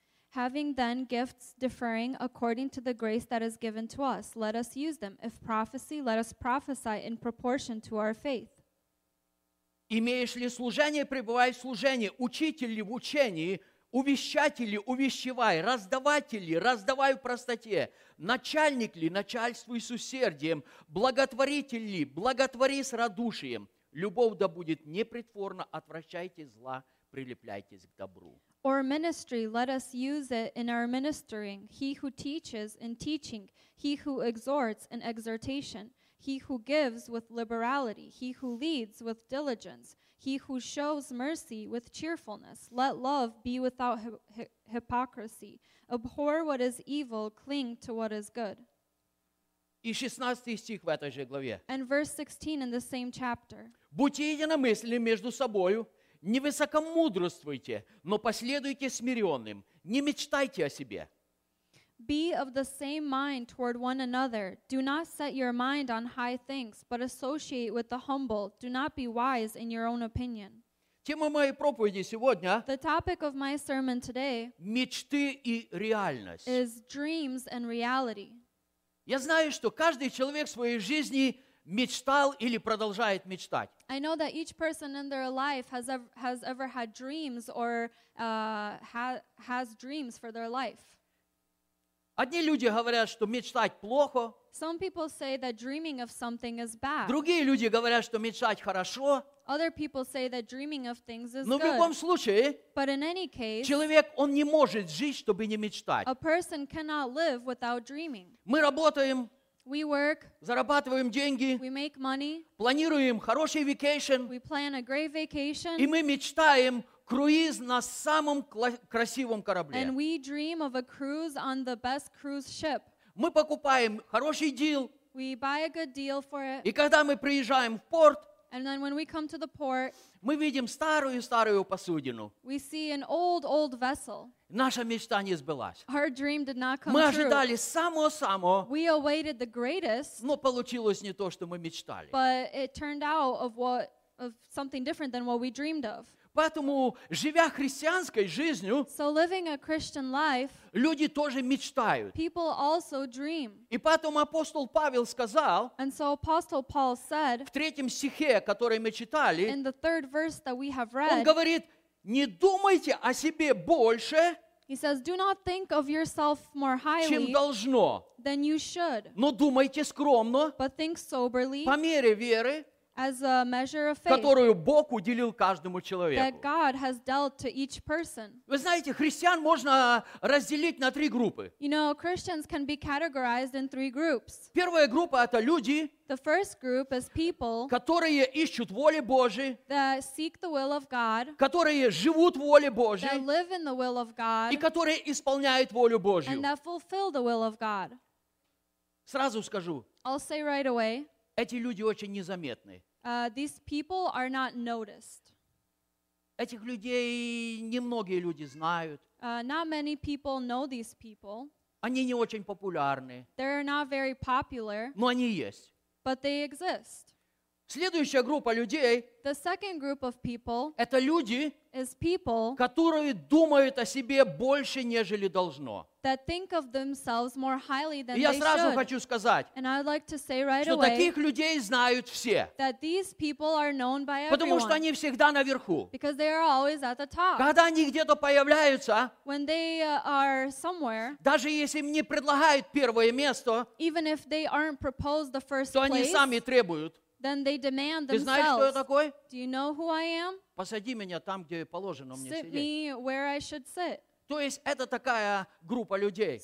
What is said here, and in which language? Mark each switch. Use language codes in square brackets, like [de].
[en] Having then gifts differing according to the grace that is given to us, let us use them. If prophecy, let us prophesy in proportion to our faith. [ru] Имеешь ли служение, пребывай в служении, учитель ли в учении, увещатель ли, увещевай, раздаватель ли, раздавай в простоте, начальник ли, начальствуй с усердием, благотворитель ли, благотвори с радушием. Любовь да будет непритворна, отвращайте зла, прилепляйтесь к добру. [en] Or ministry, let us use it in our ministering, he who teaches in teaching, he who exhorts in exhortation. He who gives with liberality, he who leads with diligence, he who shows mercy with cheerfulness, let love be without hypocrisy. Abhor what is evil, cling to what is good. [ru] И 16 стих в этой же главе. [en] And verse 16 in the same chapter. [ru] Будьте единомысленны между собою, не высокомудрствуйте, но последуйте смиренным, не мечтайте о себе. [en] Be of the same mind toward one another. Do not set your mind on high things, but associate with the humble. Do not be wise in your own opinion. [ru] Тема моей проповеди сегодня, [en] the topic of my sermon today, [ru] мечты и реальность, [en] is dreams and reality. [ru] Я знаю, что каждый человек в своей жизни мечтал или продолжает мечтать. [en] I know that each person in their life has ever had dreams or has dreams for their life. [ru] Одни люди говорят, что мечтать плохо. [en] Some people say that dreaming of something is bad. [ru] Другие люди говорят, что мечтать хорошо. [en] Other people say that dreaming of things is good. [ru] Но в любом случае, [en] but in any case, [ru] человек, он не может жить, чтобы не мечтать. [en] A person cannot live without dreaming. [ru] Мы работаем. [en] We work. [ru] Зарабатываем деньги. [en] We make money. [ru] Планируем хороший vacation. [en] We plan a great vacation. [ru] И мы мечтаем круиз на самом красивом корабле. [en] And we dream of a cruise on the best cruise ship. [ru] Мы покупаем хороший deal. [en] We buy a good deal for it. [ru] И когда мы приезжаем в порт, [en] And then when we come to the port, [ru] ми видим старую-старую посудину. [en] We see an old vessel. [ru] Наша мечта не збилась. [en] Our dream did not come [ru] ми ожидали самого-самого. [en] We awaited the greatest. [ru] Но получилось не то, что мы мечтали. [en] But it turned out of something different than what we dreamed of. [ru] Поэтому, живя христианской жизнью, [en] so living a Christian life, [ru] люди тоже мечтают. [en] People also dream. [ru] И поэтому апостол Павел сказал, [en] and so Apostle Paul said, [ru] в третьем стихе, который мы читали, [en] in the third verse that we have read, [ru] он говорит, не думайте о себе больше, [en] he says, do not think of yourself more highly, [ru] чем должно, [en] than you should, [ru] но думайте скромно, [en] but think soberly, [ru] по мере веры, [en] as a measure of faith, [ru] которую Бог уделил каждому человеку. [en] That God has dealt to each person. [ru] Вы знаете, христиан можно разделить на три группы. [en] You know, Christians can be categorized in three groups. [ru] Первая группа — это люди, [en] the first group is people, [ru] которые ищут воли Божьей, [en] that seek the will of God, [ru] которые живут воле Божьей, [en] that live in the will of God, [ru] и которые исполняют волю Божью, [en] and that fulfill the will of God. [ru] Сразу скажу. [en] I'll say right away. [ru] Эти люди очень незаметны. [en] These people are not noticed. [ru] Этих людей немногие люди знают. [en] Not many people know these people. [ru] Они не очень популярны. [en] They're not very popular. [ru] Но они есть. [en] But they exist. [ru] Следующая группа людей, [en] the second group of people, [ru] это люди, [en] is people, [ru] которые думают о себе больше, нежели должно. [en] That think of themselves more highly than they should. [ru] Я сразу хочу сказать, [en] and I'd like to say right away, [ru] что таких людей знают все. [en] That these people are known by everyone. [ru] Потому что они всегда наверху. [en] Because they are always at the top. [ru] Когда они где-то появляются, [en] when they are somewhere, [ru] даже если им не предлагают первое место, [en] even if they aren't proposed the first place, [ru] то они сами требуют. [en] Then they demand themselves. [ru] Ты знаешь, кто я такой? [en] Do you know who I am? [ru] Посади меня там, где положено мне сидеть. [en] Sit me where I should sit. [ru] То есть это такая группа людей.